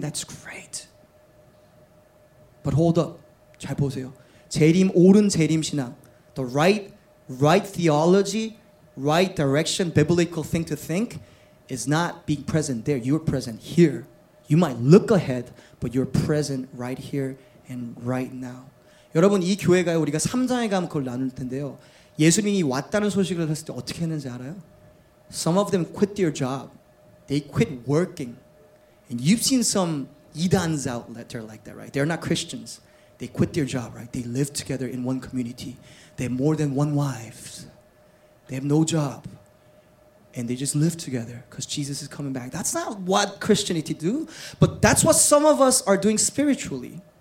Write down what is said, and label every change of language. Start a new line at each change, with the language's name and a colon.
English: That's great. But hold up.
Korean: 잘 보세요. 재림, 옳은 재림 신앙.
English: The right theology, right direction, biblical thing to think is not being present there. You're present here. You might look ahead, but you're present right here and right now.
Korean: 여러분, 이 교회가 우리가 3장에 가면 그걸 나눌 텐데요. 예수님이 왔다는 소식을 했을 때 어떻게 했는지 알아요?
English: Some of them quit their job. They quit working. And you've seen some 이단s out there like that, right? They're not Christians. They quit their job, right? They live together in one community. They have more than one wives. They have no job. And they just live together because Jesus is coming back. That's not what Christianity do, but that's what some of us are doing spiritually.